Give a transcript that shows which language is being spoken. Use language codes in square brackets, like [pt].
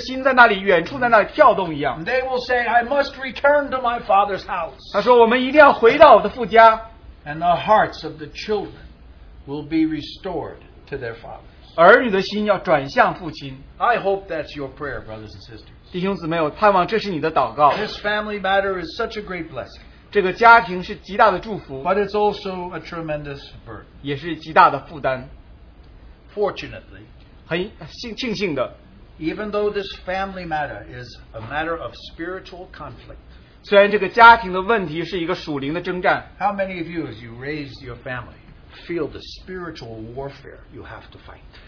[zh] 有一天儿女他们就要听见父亲的心在那里远处在那里跳动一样。 [en] They will say, I must return to my father's house. [zh] 他说我们一定要回到我的父家。 [en] And the hearts of the children will be restored to their fathers. [zh] 儿女的心要转向父亲。 [en] I hope that's your prayer, brothers and sisters. [zh] 弟兄姊妹,我盼望这是你的祷告。 [en] This family matter is such a great blessing. [zh] 这个家庭是极大的祝福。 [en] But it's also a tremendous burden. [zh] 也是极大的负担。 [en] Fortunately, [zh] 很庆幸的, [en] even though this family matter is a matter of spiritual conflict, [zh] 虽然这个家庭的问题是一个属灵的征战, [en] how many of you, as you raise your family, feel the spiritual warfare you have to fight?